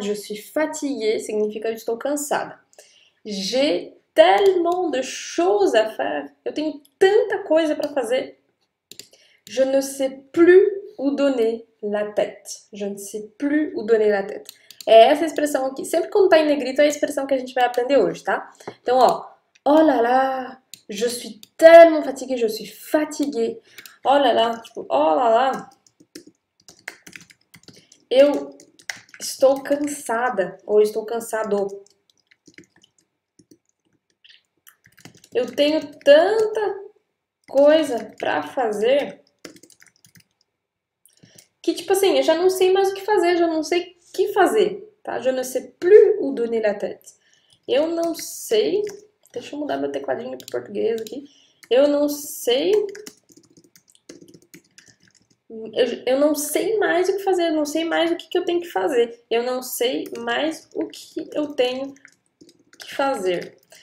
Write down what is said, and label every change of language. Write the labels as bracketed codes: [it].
[fr] Je suis fatiguée [pt] significa que eu estou cansada. [fr] J'ai tellement de choses à faire. [pt] Eu tenho tanta coisa para fazer. [fr] Je ne sais plus où donner. La tête. Je ne sais plus où donner la tête. [pt] É essa expressão aqui. Sempre quando tá em negrito, é a expressão que a gente vai aprender hoje, tá? Então, ó. [fr] Oh là là, je suis tellement fatiguée, je suis fatiguée. Oh là là, tipo, oh là là. [pt] Eu estou cansada, ou estou cansado. Eu tenho tanta coisa para fazer. Que, tipo assim, eu já não sei mais o que fazer, já não sei o que fazer, tá? [fr] Je ne sais plus où donner la tête. [pt] Eu não sei. Deixa eu mudar meu tecladinho pro português aqui. Eu não sei. Eu não sei mais o que fazer, eu não sei mais o que que eu tenho que fazer. Eu não sei mais o que eu tenho que fazer.